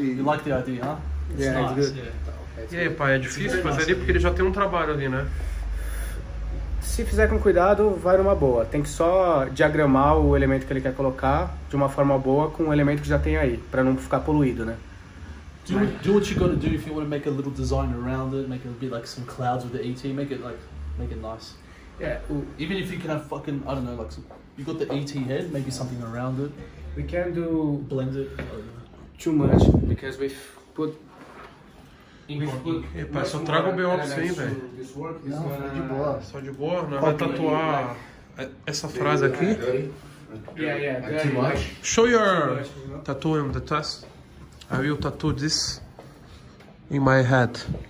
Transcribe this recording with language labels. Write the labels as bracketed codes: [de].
[en] You like the idea, huh? Yeah, it's good. [pt] E aí, pai, é difícil fazer ali porque ele já tem um trabalho ali, né? Se fizer com cuidado, vai numa boa. Tem que só diagramar o elemento que ele quer colocar de uma forma boa com o elemento que já tem aí, pra não ficar poluído, né? [en] Do what you gotta do if you wanna make a little design around it, make it a bit like some clouds with the ET, make it nice. Yeah. Even if you can have fucking, I don't know, like some... You got the ET head, maybe something around it. We can't do blend it too much because we've put. [pt] E pai, só traga o BO pra você aí, velho. Não, só de boa. Só de boa? Não, vai tatuar essa frase aqui? [en] Yeah. Show your tattoo on the test. I will tattoo this in my head.